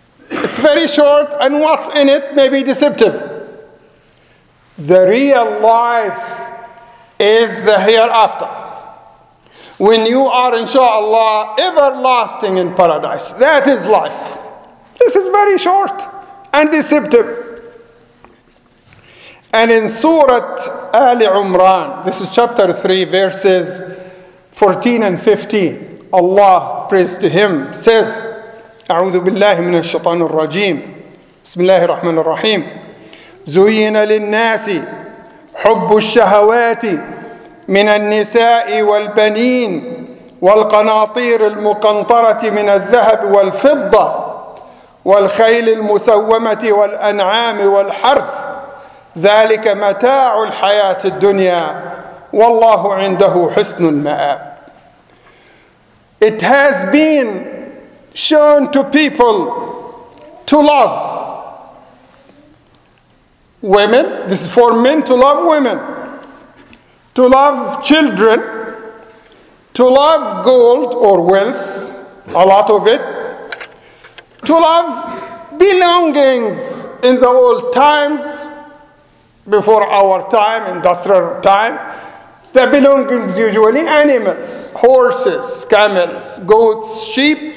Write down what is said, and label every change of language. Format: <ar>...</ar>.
<en>It's very short, and what's in it may be deceptive. The real life is the hereafter, when you are, inshallah, everlasting in paradise. That is life. This is very short and deceptive. And in Surah Ali Imran, this is chapter 3, verses 14 and 15, Allah, praise to Him, says,</en> <ar>أعوذ بالله من الشيطان الرجيم بسم الله الرحمن الرحيم زين للناس حب الشهوات من النساء والبنين والقناطير المقنطرة من الذهب والفضة والخيل المسومة والأنعام والحرث ذلك متاع الحياة الدنيا والله عنده حسن المآب.</ar> <en>It has been shown to people to love women. This is for men to love women, to love children, to love gold or wealth, a lot of it, to love belongings in the old times, before our time, industrial time, the belongings usually animals, horses, camels, goats, sheep.</en>